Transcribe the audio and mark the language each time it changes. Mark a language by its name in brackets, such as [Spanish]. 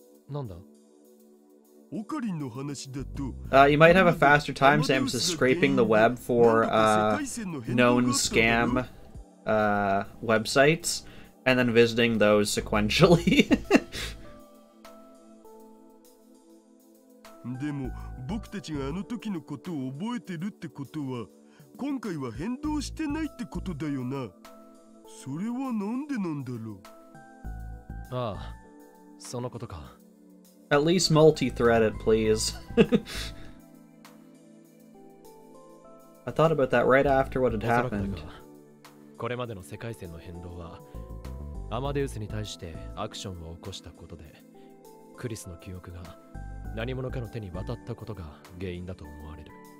[Japanese] なんだ？オカリンの話だと。 [English] You might have a faster time, Sam, is scraping the web for known scam websites and then visiting those sequentially. [Japanese] でも僕たちがあの時のことを覚えてるってことは、今回は変動してないってことだよな。それはなんでなんだろう。ああ、そのことか。 [English] At least multi-threaded, please. I thought about that right after what had happened. [Japanese] これまでの世界線の変動は、アマデウスに対してアクションを起こしたことで、クリスの記憶が何者かの手に渡ったことが原因だと思われる。